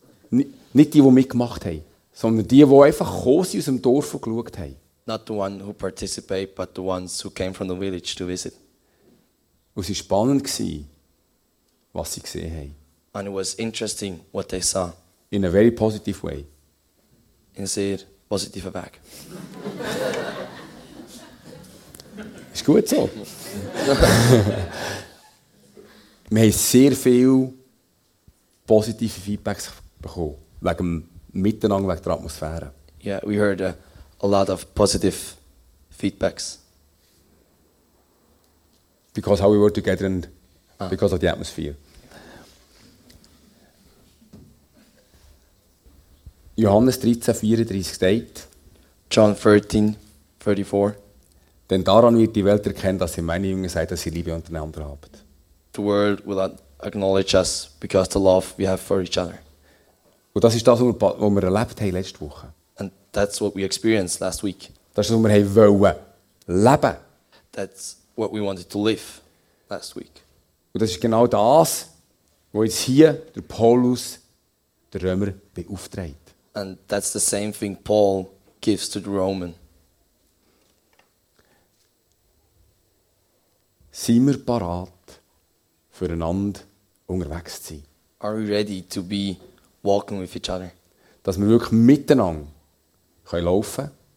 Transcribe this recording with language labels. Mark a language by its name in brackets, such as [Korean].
[German] Nicht die, die mitgemacht haben, sondern die, die einfach gekommen sind aus dem Dorf und geschaut haben. [English] Not the ones who participate, but the ones who came from the village to visit. [German] Und es war spannend, was sie gesehen haben. [English] And it was interesting what they saw. In a very positive way. In a [German] sehr [English] positive way. [German] Ist gut so. Wir haben sehr viel positive Feedbacks bekommen. Wegen dem Miteinander, wegen der Atmosphäre. [English] Yeah, we heard a lot of positive feedbacks. Because how we were together and because of the atmosphere. [German] Johannes 13,34 steht. [English] John 13,34. [German] Denn daran wird die Welt erkennen, dass ihr meine Jünger seid, dass ihr Liebe untereinander habt. [English] The world will acknowledge us because the love we have for each other. [German] Und das ist das, was wir erlebt haben letzte Woche. [English] And that's what we experienced last week. [German] Das ist das, was wir haben wollen leben. [English] That's what we wanted to live last week. [German] Und das ist genau das, was jetzt hier der Paulus, der Römer, beauftragt. [English] And that's the same thing Paul gives to the Roman. [German] Sind wir parat, füreinander unterwegs zu sein? [English] Are we ready to be walking with each other? [German] Dass wir wirklich miteinander können laufen.